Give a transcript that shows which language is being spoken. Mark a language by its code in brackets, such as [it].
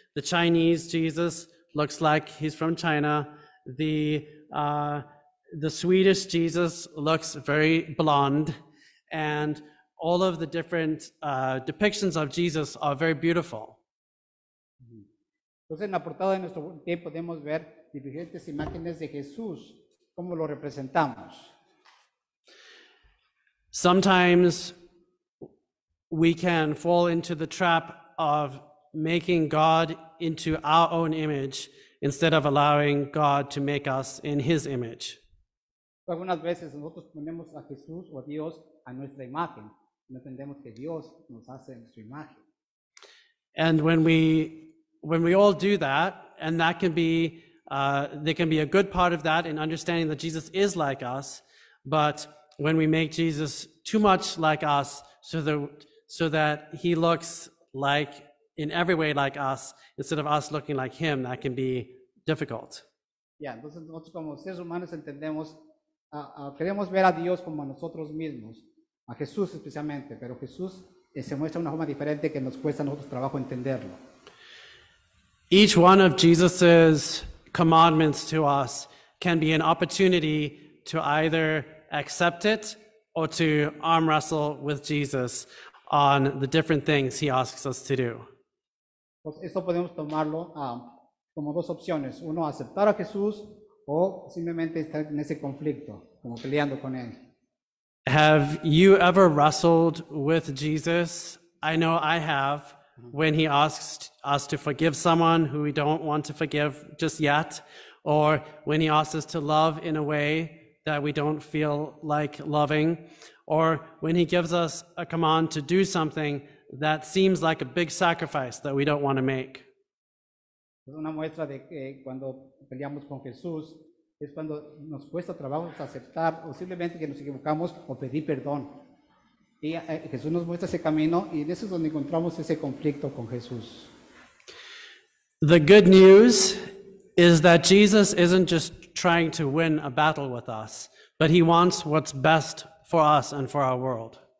[en] The Chinese Jesus looks like he's from China. The Swedish Jesus looks very blonde. And all of the different depictions of Jesus are very beautiful. [es] Entonces, en la portada de nuestro tiempo podemos ver diferentes imágenes de Jesús, cómo lo representamos. [en] Sometimes we can fall into the trap of making God into our own image instead of allowing God to make us in his image. [es] Algunas veces nosotros ponemos a Jesús o a Dios a nuestra imagen. No entendemos que Dios nos hace en su imagen. [en] And when we all do that, and that can be there can be a good part of that in understanding that Jesus is like us, but when we make Jesus too much like us, so that he looks like in every way like us instead of us looking like him, that can be difficult. [es] Yeah, entonces nosotros como seres humanos entendemos, queremos ver a Dios como a nosotros mismos, a Jesús especialmente, pero Jesús se muestra de una forma diferente que nos cuesta a nosotros trabajo entenderlo. [en] Each one of Jesus's commandments to us can be an opportunity to either accept it or to arm wrestle with Jesus on the different things he asks us to do. [es] Pues esto podemos tomarlo como dos opciones. Uno, aceptar a Jesús, o simplemente estar en ese conflicto, como peleando con él. [en] Have you ever wrestled with Jesus? I know I have. When he asks us to forgive someone who we don't want to forgive just yet, or when he asks us to love in a way that we don't feel like loving, or when he gives us a command to do something that seems like a big sacrifice that we don't want to make. [es] Es una muestra de que cuando peleamos con Jesús es cuando nos cuesta trabajo aceptar o simplemente que nos equivocamos o pedir perdón. Y Jesús nos muestra ese camino y en eso es donde encontramos ese conflicto con Jesús. [en] The good news is that Jesus isn't just trying to win a battle with us, but he wants what's best for us and for our world.